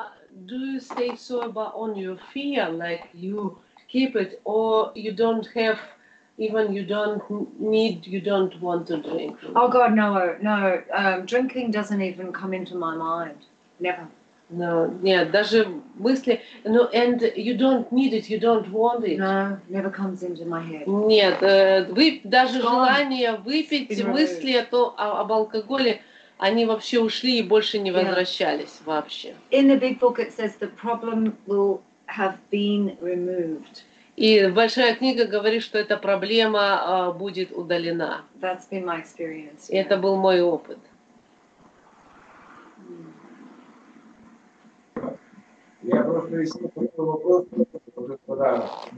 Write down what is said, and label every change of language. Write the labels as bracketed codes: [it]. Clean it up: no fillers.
[en] Do you stay sober on your fear, like you keep it, or you don't have? Even you don't need, you don't want to drink. Oh God, no. Drinking doesn't even come into my mind. Never. No, yeah, [ru] даже мысли. [en] No, and you don't need it, you don't want it. No, never comes into my head. [ru] Нет, даже желание выпить, мысли об алкоголе, они вообще ушли и больше не возвращались вообще. [en] In the big book it says the problem will have been removed. [ru] И большая книга говорит, что эта проблема будет удалена. [en] That's been my experience, yeah. [ru] Это был мой опыт. Я просто еще такой вопрос, господа.